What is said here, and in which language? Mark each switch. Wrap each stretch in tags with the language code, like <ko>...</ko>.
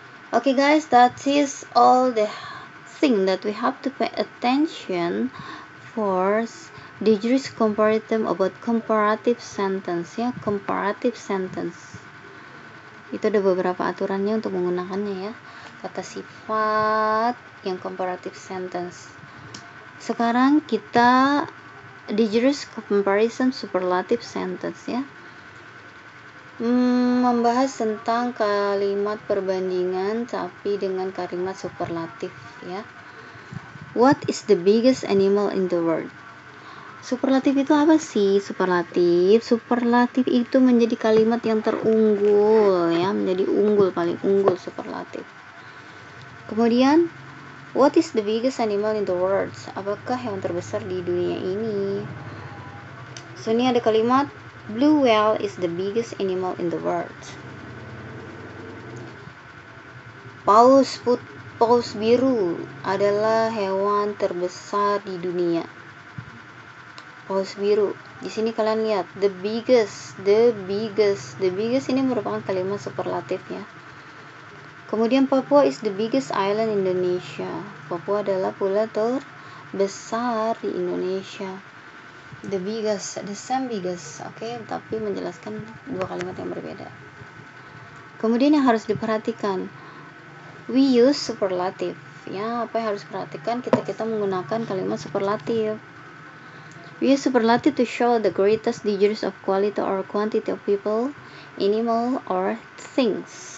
<en>Okay guys, that is all the thing that we have to pay attention for Degree's comparative about comparative sentence ya, comparative sentence.</en> <id>Itu ada beberapa aturannya untuk menggunakannya ya. Kata sifat yang comparative sentence. Sekarang kita Degree's comparison superlative sentence ya. Membahas tentang kalimat perbandingan tapi dengan kalimat superlatif ya.</id> <en>What is the biggest animal in the world?</en> <id>Superlatif itu apa sih? Superlatif, superlatif itu menjadi kalimat yang terunggul ya, menjadi unggul, paling unggul superlatif.</id> <en>Kemudian, what is the biggest animal in the world?</en> <id>Apakah hewan terbesar di dunia ini? So, ini ada kalimat</id> <en>blue whale is the biggest animal in the world.</en> <id>Paus biru adalah hewan terbesar di dunia. Paus biru. Di sini kalian lihat the biggest, the biggest, the biggest ini merupakan kalimat superlatif ya.</id> <en>Kemudian Papua is the biggest island in Indonesia.</en> <id>Papua adalah pulau terbesar di Indonesia.</id> <en>The biggest, the same biggest.</en> <id>Okay, tapi menjelaskan dua kalimat yang berbeda. Kemudian yang harus diperhatikan,</id> <en>we use</en> <id>superlatif. Ya, apa yang harus diperhatikan? Kita menggunakan kalimat superlatif.</id> <en>We use superlative to show the greatest degrees of quality or quantity of people, animal, or things.</en>